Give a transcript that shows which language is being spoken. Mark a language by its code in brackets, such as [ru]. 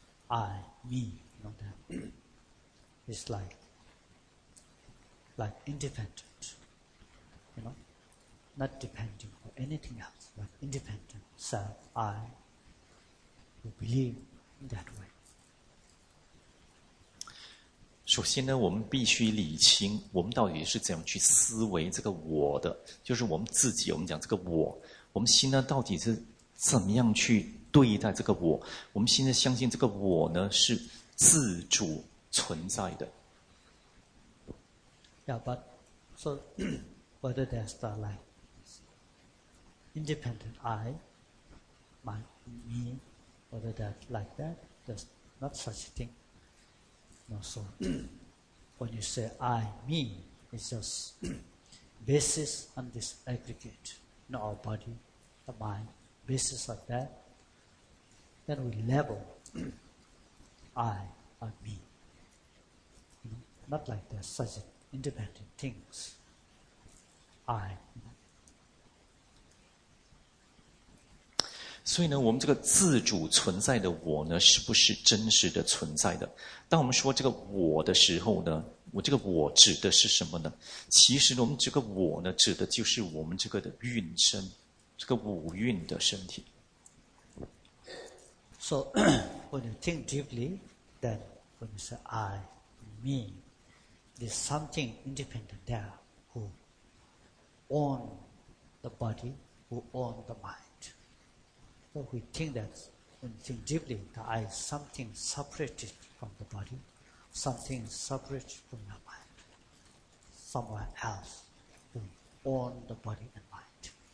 [en] I, me, you know, then it's like independent, you know, not depending on anything else, but independent self, I, who believe in that way. [zh] 首先呢，我们必须理清我们到底是怎样去思维这个我的，就是我们自己，我们讲这个我，我们心呢到底是怎么样去对待这个我，我们心呢相信这个我呢是自主存在的。 [en] Yeah, but so whether there's the like independent I, my me, whether that like that, there's not such a thing. No, so when you say I, me, it's just basis on this aggregate, not our body, the mind, basis like that. Then we level I and me. You know, not like that, such a thing. Independent things. I. [zh] 所以呢，我们这个自主存在的我呢，是不是真实的存在的？当我们说这个我的时候呢，我这个我指的是什么呢？其实我们这个我呢，指的就是我们这个的运身，这个五运的身体。 [en] So when you think deeply, then when you say I, me. There's something independent there who own the body, who own the mind. So we think that when you think deeply, the I is something separated from the body, something separate from the mind, somewhere else who own the body and mind.